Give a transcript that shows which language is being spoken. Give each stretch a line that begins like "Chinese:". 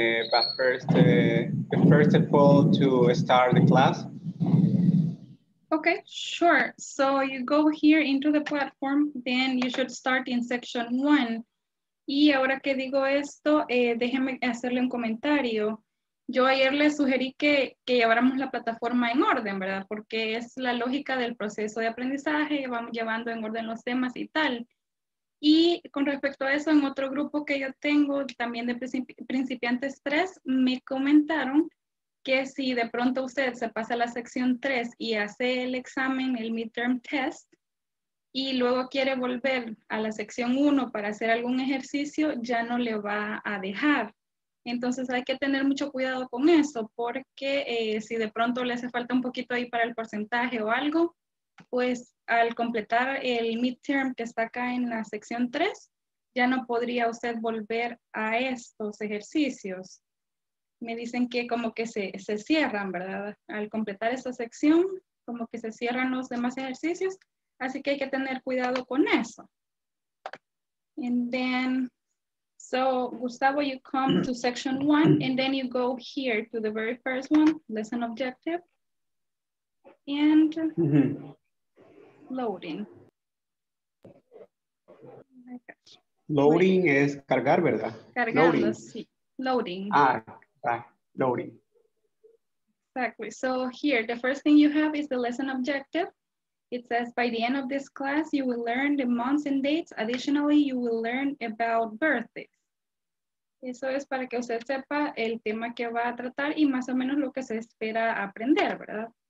English: But first, first of all, to start the class. Okay, sure. So you go here into the platform, then you should start in section one.
Spanish: Y ahora que digo esto, déjeme hacerle un comentario. Yo ayer le sugerí que lleváramos la plataforma en orden, ¿verdad? Porque es la lógica del proceso de aprendizaje, vamos llevando en orden los temas y tal. Y con respecto a eso, en otro grupo que yo tengo, también de principiantes 3, me comentaron que si de pronto usted se pasa a la sección 3 y hace el examen, el midterm test, y luego quiere volver a la sección 1 para hacer algún ejercicio, ya no le va a dejar. Entonces hay que tener mucho cuidado con eso, porque si de pronto le hace falta un poquito ahí para el porcentaje o algo, pues al completar el midterm que está acá en la sección 3, ya no podría usted volver a estos ejercicios. Me dicen que como que se cierran, ¿verdad? Al completar esta sección, como que se cierran los demás ejercicios. Así que hay que tener cuidado con eso.
English: And then, so Gustavo, you come to section 1 and then you go here to the very first one, lesson objective. And loading.
Spanish: Loading es cargar, ¿verdad? Cargando, sí. Loading.
English: Loading. Exactly. So here, the first thing you have is the lesson objective. It says, by the end of this class, you will learn the months and dates. Additionally, you will learn about birthdays.
Spanish: Eso es para que usted sepa el tema que va a tratar y más o menos lo que se espera aprender, ¿verdad?